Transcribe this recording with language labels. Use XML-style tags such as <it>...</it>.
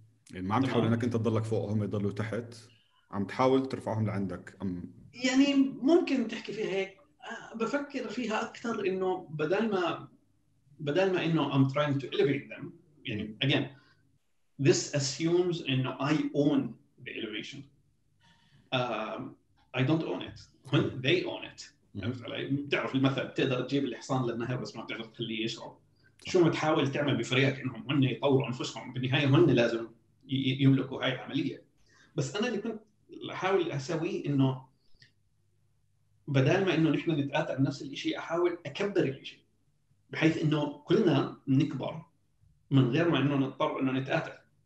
<ar>يعني ما عم تحاول انك انت تضلك فوقهم يضلوا تحت، عم تحاول ترفعهم لعندك. يعني ممكن تحكي فيها هيك، بفكر فيها اكثر انه بدل ما انه</ar> <en>I'm trying to elevate them،</en> <ar>يعني</ar> <en>again this assumes</en> <ar>انه</ar> <en>I own the elevation. I don't own it when they own it.</en> <ar>بتعرف المثل، بتقدر تجيب الحصان للنهر بس ما بتعرف تخليه يشرب. شو ما تحاول تعمل بفريقك انهم هن يطوروا انفسهم، بالنهايه هن لازم يملكوا هاي العمليه. بس انا اللي كنت احاول اسويه انه بدل ما انه نحن نتقاطع بنفس الشيء، احاول اكبر الشيء بحيث انه كلنا نكبر من غير ما انه نضطر انه نتقاطع.</ar>